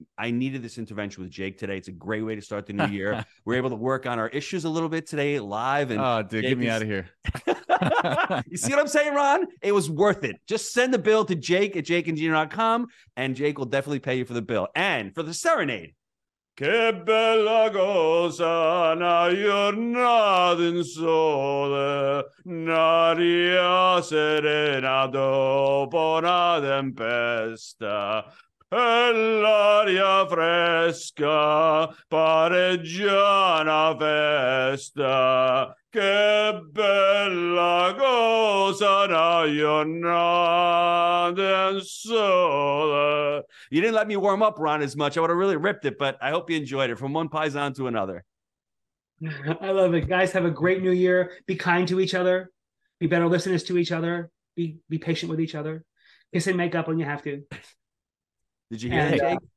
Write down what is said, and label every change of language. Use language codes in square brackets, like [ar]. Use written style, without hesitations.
[en] I needed this intervention with Jake today. It's a great way to start the new year. We're able to work on our issues a little bit today live. And oh, dude, get me out of here. You see what I'm saying, Ron? It was worth it. Just send the bill to Jake at jakeandgina.com, and Jake will definitely pay you for the bill. And for the serenade, [it] Che bella cosa, una giornata in sole, un'aria serena dopo una tempesta, e l'aria fresca pare già una festa. Che bella cosa, una giornata in sole. [en] You didn't let me warm up, Ron, as much. I would have really ripped it, but I hope you enjoyed it. From one paisan to another. I love it. Guys, have a great new year. Be kind to each other. Be better listeners to each other. Be patient with each other. Kiss and make up when you have to. Did you hear that, Jake?